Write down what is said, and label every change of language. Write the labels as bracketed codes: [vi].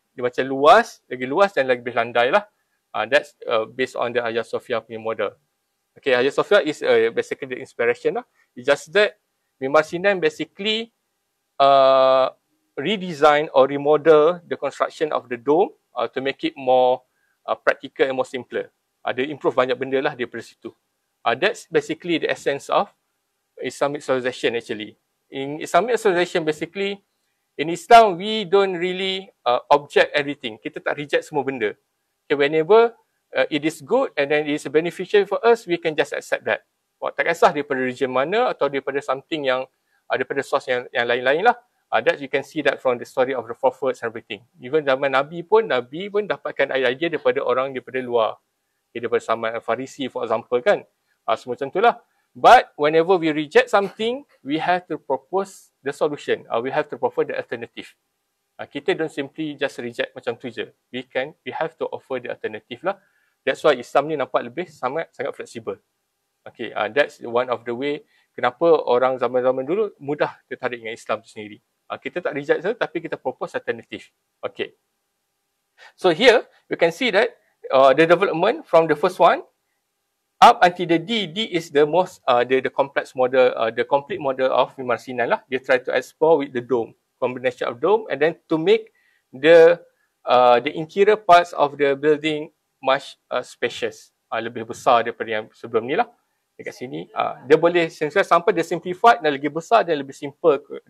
[ms] Dia macam luas, lagi luas dan lebih landai lah. [en] That's based on the Hagia Sophia punya model. Okay, Hagia Sophia is basically the inspiration lah. It's just that Mimar Sinan basically redesign or remodel the construction of the dome to make it more practical and more simpler. [ms] Dia improve banyak benda lah daripada situ. [en] That's basically the essence of Islamic civilization actually. In Islamic civilization basically, in Islam we don't really object everything. [ms] Kita tak reject semua benda. [en] Okay, whenever it is good and then it is beneficial for us, we can just accept that. [ms] Well, tak kisah daripada region mana atau daripada something yang daripada source yang lain-lain lah. [en] That you can see that from the story of the prophets and everything. Even [ms] zaman Nabi pun dapatkan idea daripada orang daripada luar. Okay, daripada zaman Farisi for example kan. Semua macam itulah. [en] But whenever we reject something, we have to propose the solution. We have to propose the alternative. Kita don't simply just reject [ms] macam tu je. [en] We have to offer the alternative lah. That's why Islam [ms] ni nampak lebih sangat fleksibel. Okay, [en] that's one of the way [ms] kenapa orang zaman-zaman dulu mudah tertarik dengan Islam tu sendiri. Kita tak reject sahaja tapi kita propose alternative. Okay. [en] So here, we can see that the development from the first one up until the D is the most, the complex model, the complete model of Mimar Sinan lah. Dia try to explore with the dome. Combination of dome and then to make the interior parts of the building much spacious. [ms] Lebih besar daripada yang sebelum ni lah. Dekat sini, dia boleh sampai dia simplified dan lebih besar dan lebih simple